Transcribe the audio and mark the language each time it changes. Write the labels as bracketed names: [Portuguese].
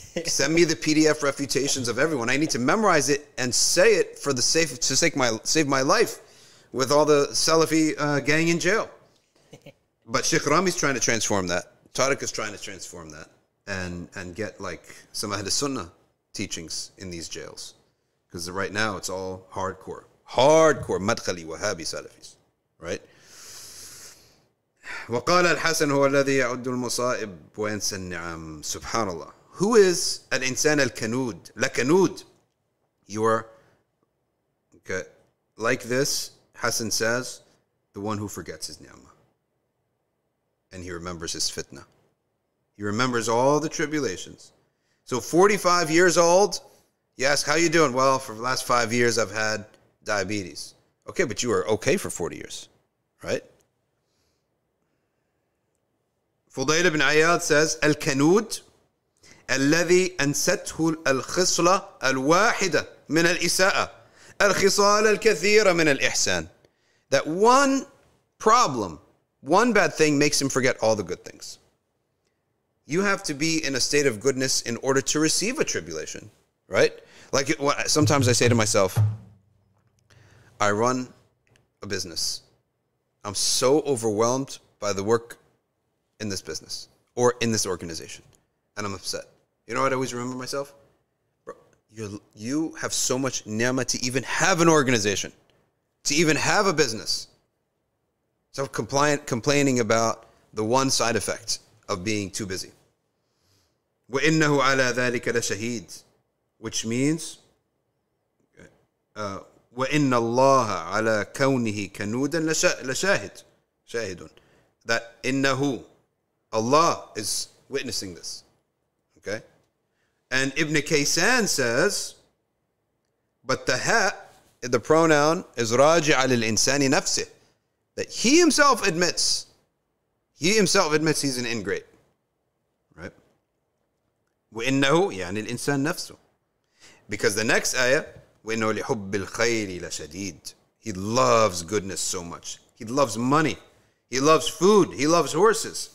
[English] Send me the PDF refutations of everyone. I need to memorize it and say it to save my life with all the Salafi gang in jail. But Sheikh Rami's trying to transform that. Tariq is trying to transform that and get like some Ahl Sunnah teachings in these jails. Because right now it's all hardcore. Hardcore Madkhali Wahhabi Salafis. Right? [Arabic] وقال الحسن هو الذي يعد المصائب وينسى النعم سبحان الله. [English] Who is an insan al kanud? La kanud. You are okay. Like this, Hassan says, the one who forgets his ni'mah. And he remembers his fitna. He remembers all the tribulations. So 45 years old, you ask, how you doing? Well, for the last 5 years I've had diabetes. Okay, but you are okay for 40 years, right? Fudayl ibn Ayyad says, [Arabic] Al Kanud الذي أنسته الخصلة الواحدة من الإساءة الخصال الكثيرة من الإحسان. [English] That one problem, one bad thing makes him forget all the good things. You have to be in a state of goodness in order to receive a tribulation, right? Like sometimes I say to myself, I run a business. I'm so overwhelmed by the work in this business or in this organization, and I'm upset. You know what I always remember myself? Bro, you have so much ni'mah to even have an organization, to even have a business. Stop complaining about the one side effect of being too busy. [Arabic] وَإِنَّهُ عَلَى ذَلِكَ لَشَهِيدٌ, [English] which means, [Arabic] وَإِنَّ اللَّهَ عَلَى كَوْنِهِ كَنُودًا لَشَاهِدٌ, that إِنَّهُ, [English] Allah is witnessing this. Okay? And Ibn Kaysan says, but the ha, the pronoun, is [Arabic] رَاجِعَ لِلْإِنسَانِ نَفْسِهِ, [English] that he himself admits he's an ingrate. Right? [Arabic] وَإِنَّهُ يَعْنِ الْإِنسَانِ نَفْسُهُ, [English] because the next ayah, [Arabic] وَإِنَّهُ لِحُبِّ الْخَيْرِ لَشَدِيدٌ, [English] he loves goodness so much. He loves money. He loves food. He loves horses.